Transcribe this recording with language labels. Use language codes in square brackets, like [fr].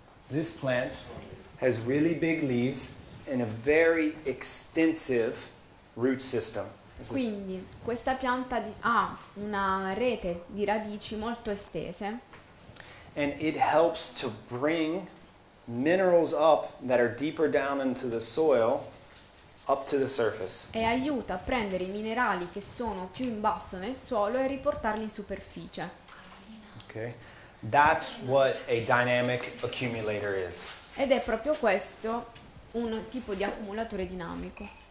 [en] This plant has really big leaves and a very extensive root system. [it] Quindi questa pianta ha una rete di radici molto estese. [en] And it helps to bring minerals up that are deeper down into the soil. Up to the surface. [it] E aiuta a prendere i minerali che sono più in basso nel suolo e riportarli in superficie. [en] Okay. That's what a dynamic accumulator is. [it] Ed è proprio questo un tipo di accumulatore dinamico.